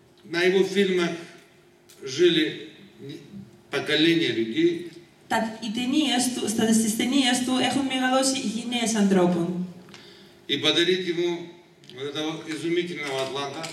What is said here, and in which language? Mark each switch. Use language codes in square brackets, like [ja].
[ru] На его фильме жили поколения людей. [el] Τα, οι ταινίες του, στις ταινίες του έχουν μεγαλώσει γυναίες ανθρώπων. [ru] И подарить ему вот этого изумительного Атланта.